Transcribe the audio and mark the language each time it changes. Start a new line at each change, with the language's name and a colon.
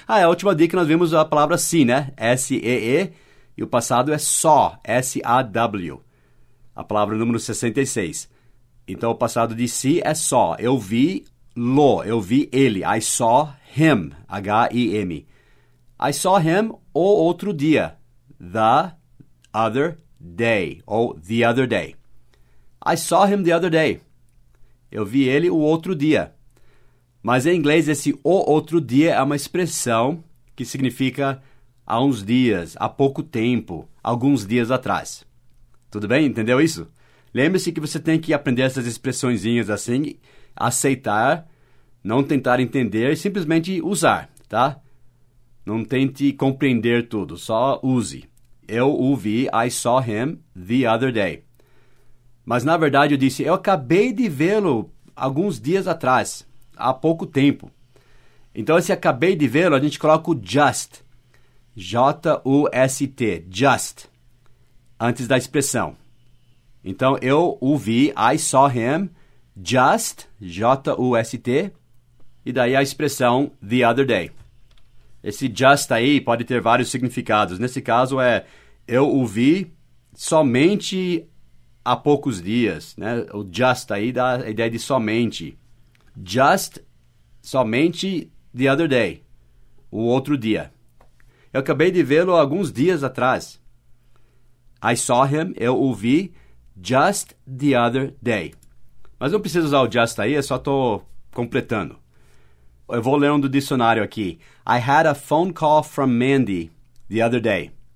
Portuguese: Ah, é a última dia que nós vimos a palavra see, né? S-E-E, e o passado é saw, S-A-W, a palavra número 66. Então, o passado de see é saw, eu vi lo, eu vi ele,
English: I saw him,
Portuguese: H-I-M.
English: I saw him
Portuguese: o outro dia,
English: the other day, ou the other day. I saw him the other day.
Portuguese: Eu vi ele o outro dia. Mas em inglês, esse o outro dia é uma expressão que significa há uns dias, há pouco tempo, alguns dias atrás. Tudo bem? Entendeu isso? Lembre-se que você tem que aprender essas expressõezinhas assim, aceitar, não tentar entender, simplesmente usar, tá? Não tente compreender tudo, só use. Eu o vi,
English: I saw him the other day.
Portuguese: Mas, na verdade, eu disse, eu acabei de vê-lo alguns dias atrás, há pouco tempo. Então, esse acabei de vê-lo, a gente coloca o just. J-U-S-T, just, antes da expressão. Então, eu o vi,
English: I saw him,
Portuguese: just, J-U-S-T, e daí a expressão
English: the other day.
Portuguese: Esse just aí pode ter vários significados. Nesse caso é, eu o vi somente há poucos dias, né? O just aí dá a ideia de somente. Just, somente
English: the other day,
Portuguese: o outro dia. Eu acabei de vê-lo alguns dias atrás.
English: I saw him,
Portuguese: eu o vi,
English: just the other day.
Portuguese: Mas não preciso usar o just aí, eu só estou completando. Eu vou ler um do dicionário aqui.
English: I had a phone call from Mandy the other day.